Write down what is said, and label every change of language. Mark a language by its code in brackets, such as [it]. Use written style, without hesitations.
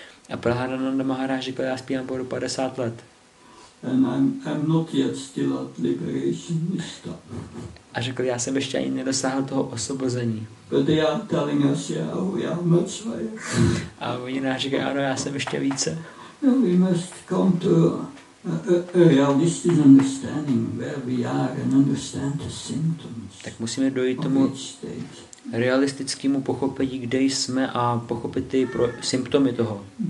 [cs] A Prahlada Maharaj řekl, já zpívám po 50 let. [en] And I'm not yet still at liberation stop. [cs] A řekl, já jsem ještě ani nedosáhl toho osvobození. [en] But they are telling us, yeah, we are much higher. [cs] A oni nám říkají, ano, já jsem ještě více. [en] And we must come to a realistic understanding where we are and understand the symptoms. [cs] Tak musíme dojít tomu realistickému pochopení, kde jsme a pochopit ty symptomy toho.